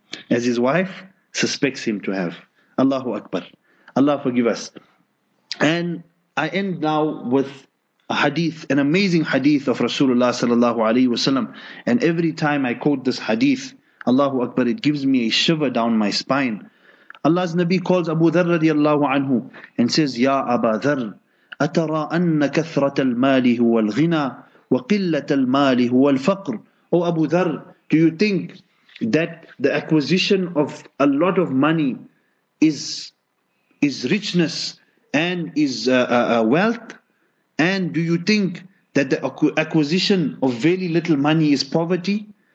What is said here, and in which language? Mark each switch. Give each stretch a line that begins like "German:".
English: As his wife suspects him to have. Allahu Akbar. Allah forgive us. And I end now with a hadith, an amazing hadith of Rasulullah sallallahu alayhi wa sallam. And every time I quote this hadith, Allahu Akbar, it gives me a shiver down my spine. Allah's Nabi calls Abu Dharr radiallahu anhu and says, Ya Aba Dharr,
Arabic: أترى أن كثرة المال هو الغنى وقلة المال هو الفقر.
English: Oh Abu Dharr, do you think that the acquisition of a lot of money is richness and is wealth? And do you think that the acquisition of very little money is poverty?